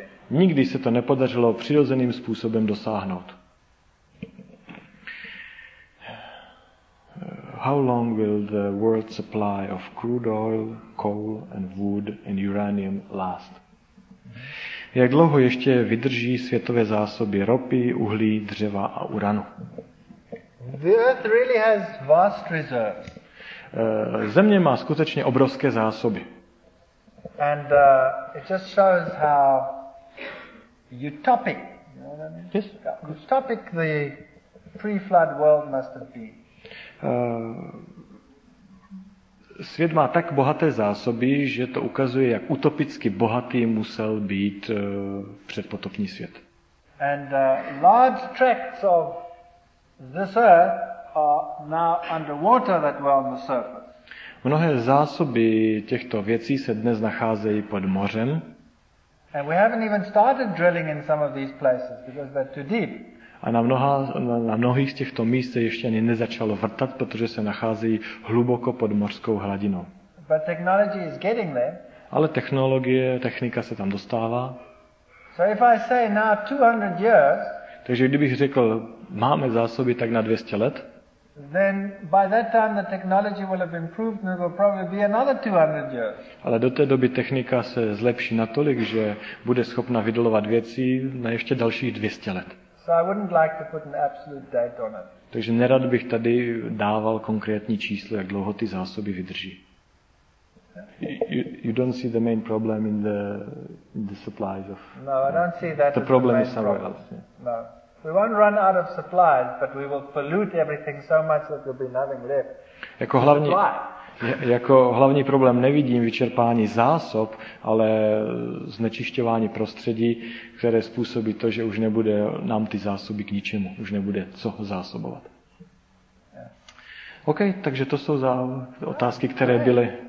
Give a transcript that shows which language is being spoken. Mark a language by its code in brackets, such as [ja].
[cs] Nikdy se to nepodařilo přirozeným způsobem dosáhnout. [en] How long will the world supply of crude oil, coal and wood and uranium last? [cs] Jak dlouho ještě vydrží světové zásoby ropy, uhlí, dřeva a uranu? [en] The earth really has vast reserves. [cs] Země má skutečně obrovské zásoby. [en] And it just shows how utopic. Yes. Utopic the pre-flood world must have been. [cs] Svět má tak bohaté zásoby, že to ukazuje, jak utopicky bohatý musel být předpotopní svět. [en] And large tracts of this earth are now underwater that were on the surface. [cs] Mnohé zásoby těchto věcí se dnes nacházejí pod mořem. [en] And we haven't even started drilling in some of these places because they're too deep. [cs] A na mnohých z těchto míst se ještě ani nezačalo vrtat, protože se nacházejí hluboko pod mořskou hladinou. [en] But technology is getting there. [cs] Ale technologie, technika se tam dostává. [en] So if I say now 200 years, [cs] takže kdybych řekl, máme zásoby tak na 200 let, [en] then by that time the technology will have improved and it will probably be another 200 years. [cs] Ale do té doby technika se zlepší natolik, že bude schopna vydolovat věci na ještě dalších 200 let. [en] So I wouldn't like to put an absolute date on it. [cs] Takže nerad bych tady dával konkrétní číslo, jak dlouho ty zásoby vydrží. [en] You don't see the main problem in the supplies of. No, I don't see that. The problem is somewhere else. Yeah. No, we won't run out of supplies, but we will pollute everything so much that there'll be nothing left. [cs] Jako hlavní problém nevidím vyčerpání zásob, ale znečišťování prostředí, které způsobí to, že už nebude nám ty zásoby k ničemu, už nebude co zásobovat. OK, takže to jsou otázky, které byly.